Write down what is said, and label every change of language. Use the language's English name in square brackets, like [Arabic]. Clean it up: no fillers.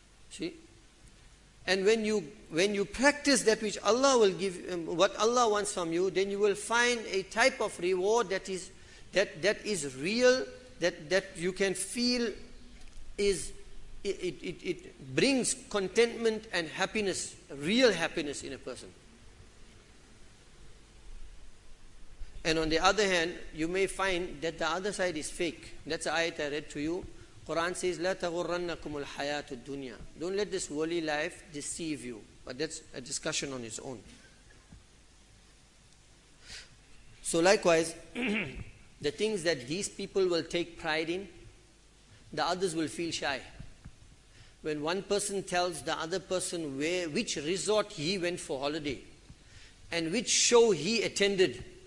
[English] See? And when you practice that which Allah will give, what Allah wants from you, then you will find a type of reward that is real, that you can feel is it brings contentment and happiness, real happiness in a person. And on the other hand, you may find that the other side is fake. That's the ayat I read to you. Quran says, [Arabic] لَا تَغُرَّنَّكُمُ الْحَيَاةُ الدُّنْيَا. [English] Don't let this worldly life deceive you. But that's a discussion on its own. So likewise, the things that these people will take pride in, the others will feel shy. when one person tells the other person where, which resort he went for holiday and which show he attended.